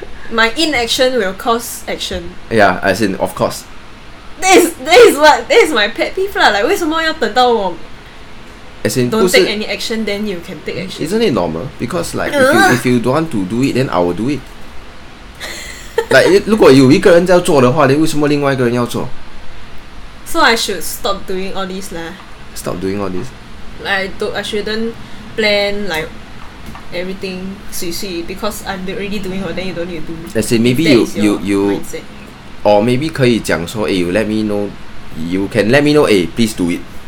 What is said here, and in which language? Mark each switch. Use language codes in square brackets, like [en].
[en] My inaction will cause action. Yeah, as in of course. This is my pet peeve lah. Like, [zh] 为什么要等到我? [en] As in, don't take any action, then you can take action. Isn't it normal? Because like, if you don't want to do it, then I will do it. Like, [zh] 如果有一个人在做的话, 为什么另外一个人要做? [en] So I should stop doing all this lah. Stop doing all this? I shouldn't plan like everything sui-sui because I'm already doing all that, you don't need to do. As in, maybe you mindset. Or maybe [zh] 可以讲说, [en] hey, you let me know, you can let me know, hey, please do it.